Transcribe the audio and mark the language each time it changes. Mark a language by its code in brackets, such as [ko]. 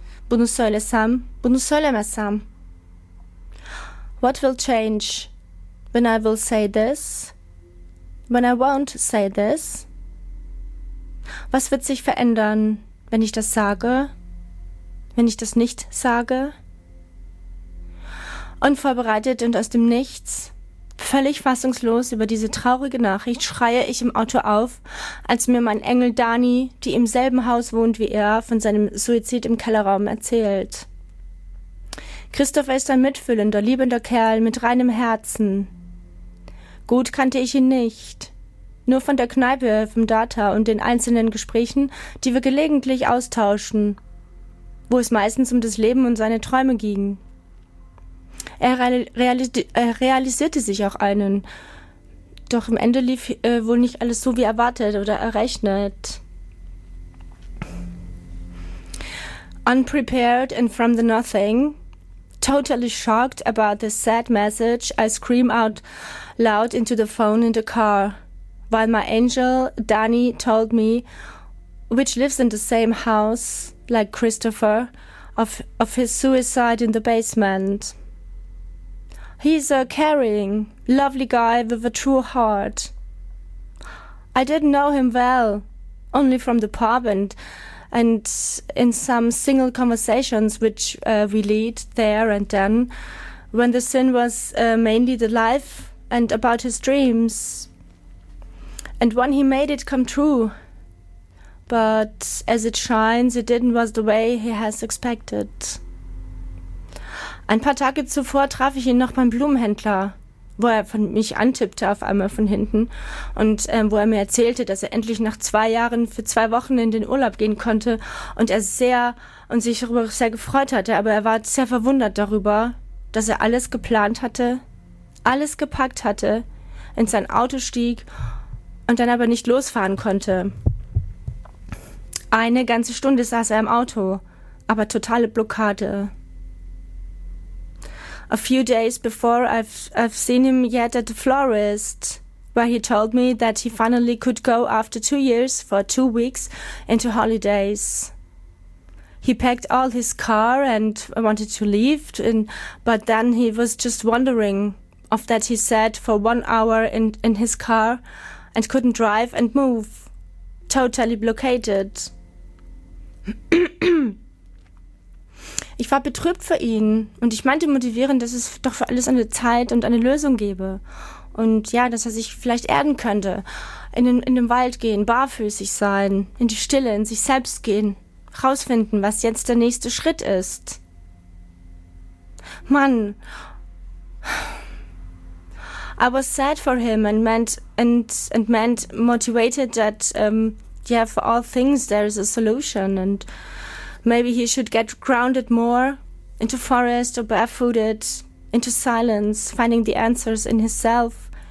[tr] Bunu söylesem, bunu söylemesem. [en] What will change when I will say this, when I won't say this? [de] Was wird sich verändern, wenn ich das sage, wenn ich das nicht sage? Unvorbereitet und aus dem Nichts, völlig fassungslos über diese traurige Nachricht, schreie ich im Auto auf, als mir mein Engel Dani, die im selben Haus wohnt wie er, von seinem Suizid im Kellerraum erzählt. Christopher ist ein mitfühlender, liebender Kerl mit reinem Herzen. Gut kannte ich ihn nicht. Nur von der Kneipe, vom Data und den einzelnen Gesprächen, die wir gelegentlich austauschen, wo es meistens um das Leben und seine Träume ging. Er realisierte sich auch einen. Doch am Ende lief wohl nicht alles so wie erwartet oder errechnet. [en] Unprepared and from the nothing, totally shocked about this sad message, I scream out loud into the phone in the car, while my angel, Dani, told me, which lives in the same house, like Christopher, of his suicide in the basement. He's a caring, lovely guy with a true heart. I didn't know him well, only from the pub and in some single conversations which we lead there and then, when the scene was mainly the life and about his dreams. And when he made it come true, but as it shines, it didn't was the way he has expected. [de] Ein paar Tage zuvor traf ich ihn noch beim Blumenhändler, wo er von mich antippte auf einmal von hinten und wo er mir erzählte, dass er endlich nach 2 Jahren für 2 Wochen in den Urlaub gehen konnte und er sehr und sich darüber sehr gefreut hatte, aber er war sehr verwundert darüber, dass er alles geplant hatte, alles gepackt hatte, in sein Auto stieg und dann aber nicht losfahren konnte. Eine ganze Stunde saß er im Auto, aber totale Blockade. [en] A few days before, I've seen him yet at the florist, where he told me that he finally could go after 2 years for 2 weeks into holidays. He packed all his car and wanted to leave, but then he was just wondering of that he sat for 1 hour in his car and couldn't drive and move, totally blockaded. [de] Ich war betrübt für ihn und ich meinte motivierend, dass es doch für alles eine Zeit und eine Lösung gebe. Und ja, dass er sich vielleicht erden könnte, in den Wald gehen, barfüßig sein, in die Stille, in sich selbst gehen, rausfinden, was jetzt der nächste Schritt ist. [en] Mann, I was sad for him and meant motivated that, yeah, for all things there is a solution and maybe he should get grounded more into forest or barefooted, into silence, finding the answers in himself.